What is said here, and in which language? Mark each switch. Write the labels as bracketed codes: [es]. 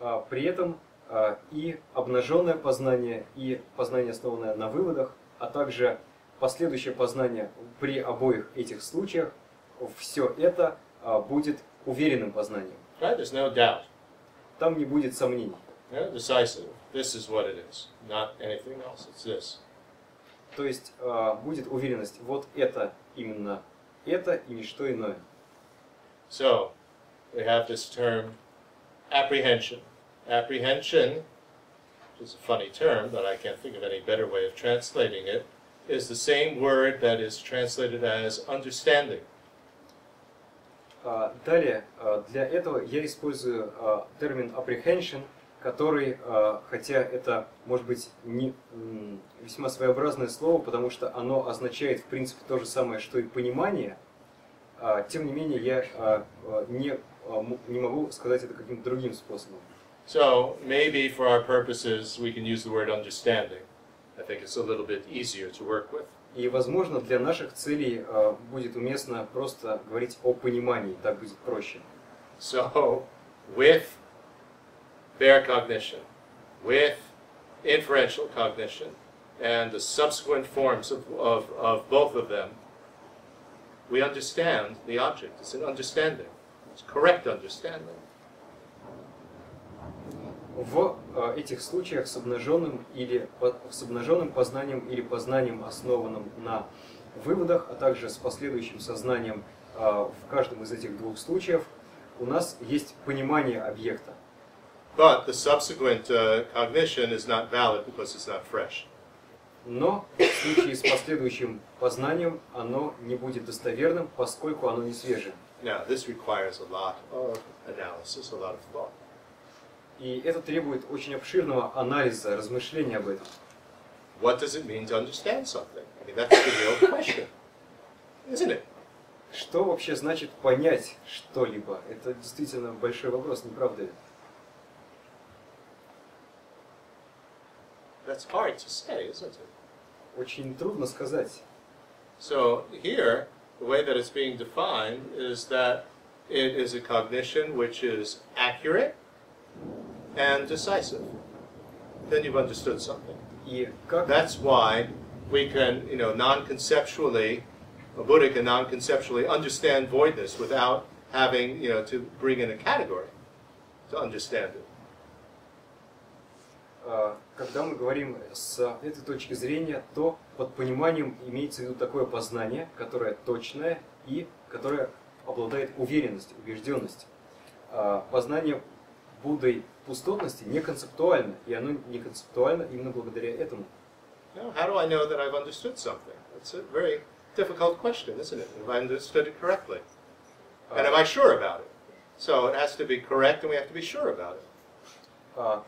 [ru] При этом и обнаженное познание, и познание, основанное на выводах, а также последующее познание при обоих этих случаях, все это будет уверенным познанием. [en] Right, there's no doubt. [ru] Там не будет сомнений. [en] Yeah, decisive. This is what it is. Not anything else. It's this. [ru] То есть будет уверенность. Вот это именно это и ничто иное. [en] So, we have this term apprehension. Apprehension, which is a funny term, but I can't think of any better way of translating it, is the same word that is translated as understanding. [ru] Далее, для этого я использую термин apprehension, который, хотя это может быть не весьма своеобразное слово, потому что оно означает в принципе то же самое, что и понимание, тем не менее я не могу сказать это каким-то другим способом. [en] So, maybe for our purposes we can use the word understanding. I think it's a little bit easier to work with. [ru] И, возможно, для наших целей будет уместно просто говорить о понимании, так будет проще. [en] So, with bare cognition, with inferential cognition, and the subsequent forms of both of them, we understand the object. It's an understanding. It's correct understanding. [ru] В этих случаях с обнаженным или с обнаженным познанием или познанием, основанным на выводах, а также с последующим сознанием в каждом из этих двух случаев, у нас есть понимание объекта. [en] But the subsequent cognition is not valid because it's not fresh. [ru] Но в случае с последующим познанием оно не будет достоверным, поскольку оно не свежее. [en] Now, this requires a lot of analysis, a lot of thought. [ru] И это требует очень обширного анализа, размышления об этом. [en] What does it mean to understand something? I mean, that's the real question, isn't it? [ru] Что вообще значит понять что-либо? Это действительно большой вопрос, не правда ли? [en] That's hard to say, isn't it? [ru] Очень трудно сказать. [en] So, here, the way that it's being defined is that it is a cognition which is accurate, and decisive, then you've understood something. That's why we can, you know, non-conceptually, a Buddha can non-conceptually understand voidness without having, you know, to bring in a category to understand it. [ru] Когда мы говорим с этой точки зрения, то под пониманием имеется в виду такое познание, которое точное и которое обладает уверенностью, убежденностью. Познание Буддой пустотности не концептуально, и оно не концептуально именно благодаря этому. [en] Now, how do I know that I've understood something? It's a very difficult question, isn't it? Have I understood it correctly? And am I sure about it? So it has to be correct, and we have to be sure about it.